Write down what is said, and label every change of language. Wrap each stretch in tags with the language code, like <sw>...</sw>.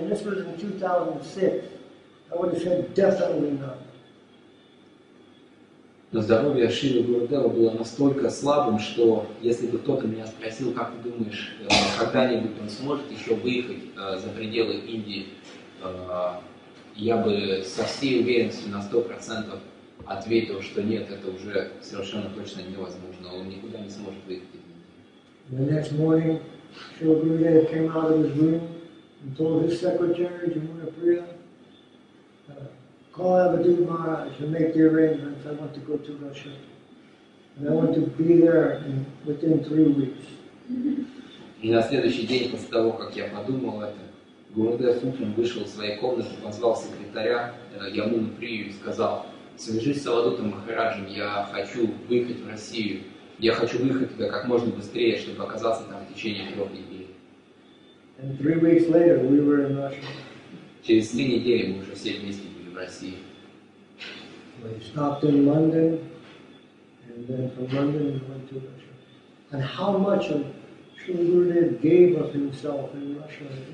<en>And this was in 2006. I would have said definitely not.</en> <ru>Но здоровье Шрилы Гурудева было настолько слабым, что если бы кто-то меня спросил, как ты думаешь, когда-нибудь он сможет еще выехать за пределы Индии? Я бы со всей уверенностью на 100% ответил, что нет, это уже совершенно точно невозможно. Он никуда не сможет выйти.</ru> <en>The next morning, Srila Gurudev came out of his room and told his secretary, Jamuna Priya, call Avadhuta Maharaj and make the arrangements. I want to go to Russia. And I want to be there within 3 weeks.</en> <ru>И на следующий день, после того, как я подумал это, Гурудев утром вышел из своей комнаты, позвал секретаря Ямуну Прию и сказал: «Свяжись с Авадутом Махараджем, я хочу выехать в Россию. Я хочу выехать туда как можно быстрее, чтобы оказаться там в течение 3 недель».</ru> <en>And 3 weeks later, we were in Russia.</en> <ru>Через 3 недели мы уже все вместе были в России.</ru> <en>We stopped in London, and then from London we went to Russia. And how much of Srila Gurudev gave of himself in Russia?</en>